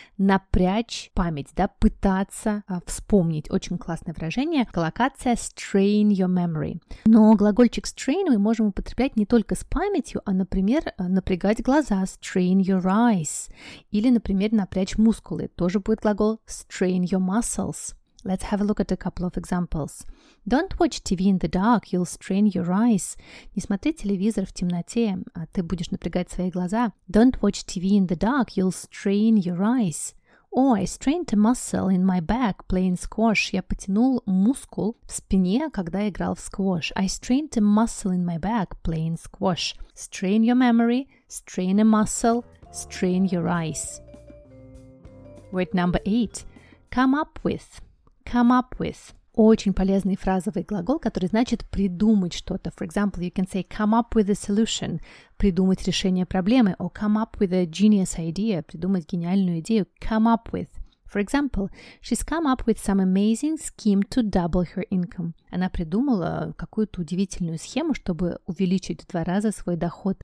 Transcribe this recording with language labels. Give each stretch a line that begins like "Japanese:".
Russian: Напрячь память, да, пытаться вспомнить. Очень классное выражение. Коллокация
English: strain your memory.
Russian: Но глагольчик strain мы можем употреблять не только с памятью, а, например, напрягать глаза.
English: Strain your eyes.
Russian: Или, например, напрячь мускулы. Тоже будет глагол
English: strain your muscles. Let's have a look at a couple of examples. Don't watch TV in the dark, you'll strain your eyes.
Russian: Не смотри телевизор в темноте, а ты будешь напрягать свои глаза.
English: Don't watch TV in the dark, you'll strain your eyes. Oh, I strained a muscle in my back playing squash.
Russian: Я потянул мускул в спине, когда играл в сквош.
English: I strained a muscle in my back playing squash. Strain your memory, strain a muscle, strain your eyes. Word number eight. Come up with. Come up with.
Russian: Очень полезный фразовый глагол, который значит придумать что-то.
English: For example, you can say come up with a solution.
Russian: Придумать решение проблемы.
English: Or come up with a genius idea.
Russian: Придумать гениальную идею.
English: Come up with. For example, she's come up with some amazing scheme to double her income.
Russian: Она придумала какую-то удивительную схему, чтобы увеличить в два раза свой доход.